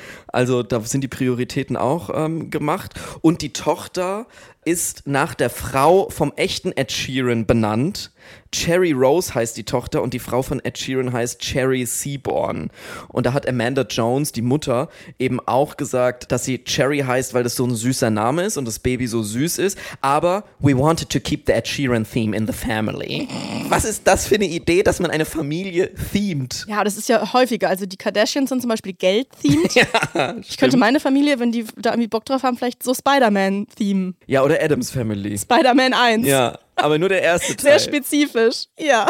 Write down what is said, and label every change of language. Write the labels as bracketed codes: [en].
[de] Also da sind die Prioritäten auch gemacht. Und die Tochter ist nach der Frau vom echten Ed Sheeran benannt. Cherry Rose heißt die Tochter und die Frau von Ed Sheeran heißt Cherry Seaborn. Und da hat Amanda Jones, die Mutter, eben auch gesagt, dass sie Cherry heißt, weil das so ein süßer Name ist und das Baby so süß ist. Aber [en] we wanted to keep the Ed Sheeran theme in the family. [de] Was ist das für eine Idee, dass man eine Familie themed? Ja, das ist ja häufiger. Also die Kardashians sind zum Beispiel geld-themed. Ja, ich könnte meine Familie, wenn die da irgendwie Bock drauf haben, vielleicht so Spider-Man-themen. Ja, oder Adams Family. Spider-Man 1. Ja. Aber nur der erste Teil. Sehr spezifisch, ja.